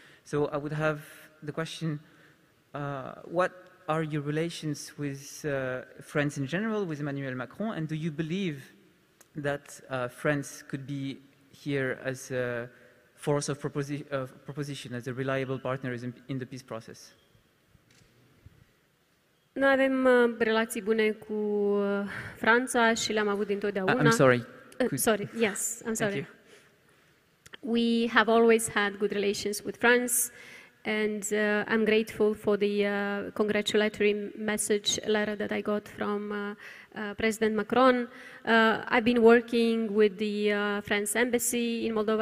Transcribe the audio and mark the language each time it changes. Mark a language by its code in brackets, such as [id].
[en] So I would have the question, what are your relations with France in general, with Emmanuel Macron, and do you believe that France could be here as a force of proposition, as a reliable partner in the peace process? [ro] Noi avem relații bune cu Franța și le-am avut întotdeauna. [en] I'm sorry. We have always had good relations with France, and I'm grateful for the congratulatory message letter that I got from President Macron. I've been working with the France embassy in Moldova.